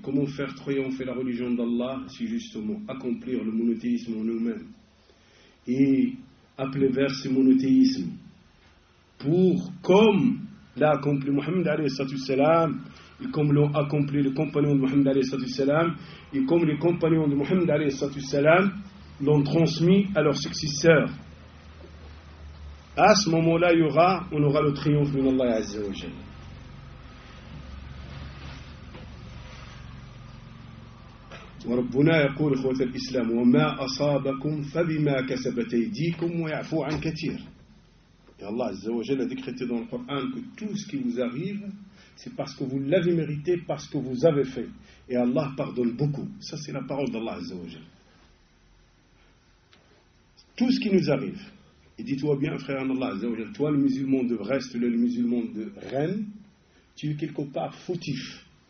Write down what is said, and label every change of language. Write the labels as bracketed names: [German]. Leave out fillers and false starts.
[French] Comment faire triompher la religion d'Allah? Si justement accomplir le monothéisme en nous-mêmes et appeler vers ce monothéisme, pour, comme l'a accompli Mohammed alayhi salam, et comme l'ont accompli les compagnons de Mohammed alayhi salam, et comme les compagnons de Mohammed alayhi salam l'ont transmis à leurs successeurs, à ce moment-là, on aura le triomphe de Allah Azza wa Jalla. [Arabic] وربنا يقول: إخوة الإسلام، وما أصابكم فبما كسبت أيديكم ويعفو عن كثير. [French] Et Allah Azza wa Jalla a décrété dans le Coran que tout ce qui vous arrive, c'est parce que vous l'avez mérité, parce que vous avez fait. Et Allah pardonne beaucoup. Ça, c'est la parole d'Allah Azza wa Jalla. tout ce qui nous arrive. Et dis-toi bien, frère en Allah, toi le musulman de Brest, le musulman de Rennes, tu es quelque part fautif.